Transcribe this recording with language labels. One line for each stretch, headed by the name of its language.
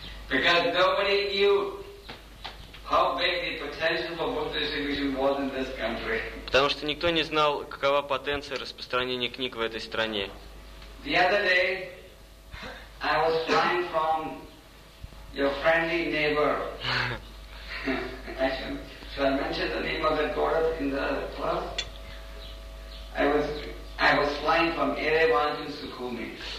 English: Because nobody knew how big the potential for book distribution was in this country.
Russian: Потому что никто не знал, какова потенция распространения книг в этой стране.
English: The other day I was flying from your friendly neighbor. Should I mention the name of the goddess in the class? I was flying from Erevan to Sukhumi.